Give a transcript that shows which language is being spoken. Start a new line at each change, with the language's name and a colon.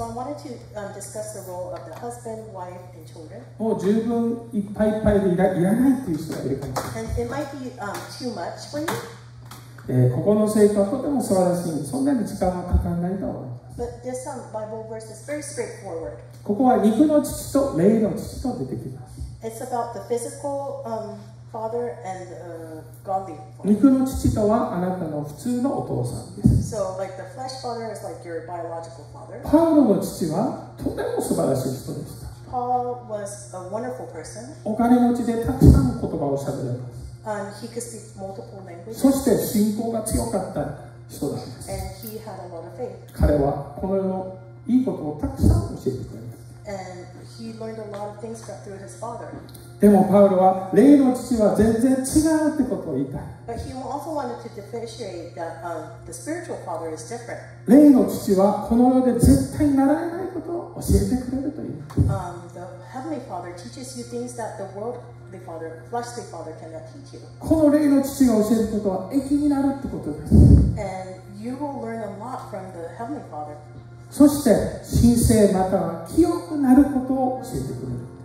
English: So I wanted to discuss the role of the husband, wife, and children.
Japanese: もう十分いっぱいいっぱいでいらないという人がいるかもしれない。
English: And it might be too much for you.
Japanese: ここの聖句はとても素晴らしい。そんなに時間はかからないと思います。
English: But this Bible verse is very straightforward.
Japanese: ここは肉の父と霊の父と出てきます。
English: It's about the physical father and godly father.
Japanese: 肉の父とはあなたの普通のお父さんです。
English: So like the flesh father is like your biological father.
Japanese: パウロの父はとても素晴らしい人でした。
English: Paul was a wonderful person.
Japanese: お金持ちでたくさん言葉を喋れます。
English: He could speak multiple languages.
Japanese: そして信仰が強かった。そうなんです。
English: And he had a lot of faith.
Japanese: 彼はこの世のいいことをたくさん教えてくれます。
English: And he learned a lot of things through his father.
Japanese: でもパウロは霊の父は全然違うってことを言いたい。
English: But he also wanted to differentiate that the spiritual father is different.
Japanese: 霊の父はこの世で絶対習えないことを教えてくれるという。
English: The heavenly father teaches you things that the world the father, fleshly father cannot teach you.
Japanese: この霊の父が教えることは益になるってことです。
English: And you will learn a lot from the heavenly father.
Japanese: そして神聖または清くなることを教えてくれる。